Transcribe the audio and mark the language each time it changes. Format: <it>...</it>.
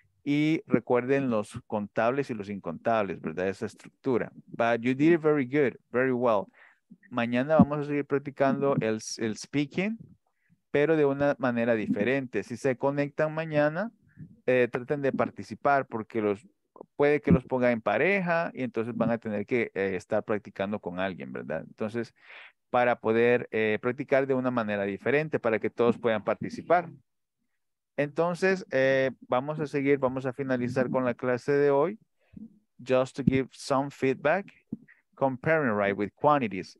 <es>Y recuerden los contables y los incontables, ¿verdad? Esa estructura.</es> <en>But you did it very good, very well.</en> <es>Mañana vamos a seguir practicando el speaking, pero de una manera diferente. Si se conectan mañana, traten de participar porque puede que los ponga en pareja y entonces van a tener que estar practicando con alguien, ¿verdad? Entonces, para poder practicar de una manera diferente, para que todos puedan participar. Entonces, vamos a seguir, vamos a finalizar con la clase de hoy.</es> <en>Just to give some feedback, comparing, right, with quantities.</en>